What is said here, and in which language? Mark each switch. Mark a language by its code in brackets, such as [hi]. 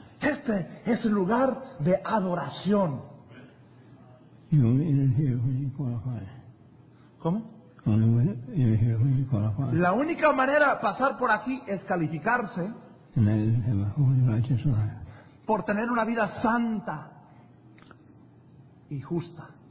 [es] Este es el lugar de adoración. [en] You only enter here when you qualify. [es] ¿Cómo? [en] Only enter here when you qualify. [es] La única manera de pasar por aquí es calificarse. [en] And that is have a holy, righteous life. [es] Por tener una vida santa y justa.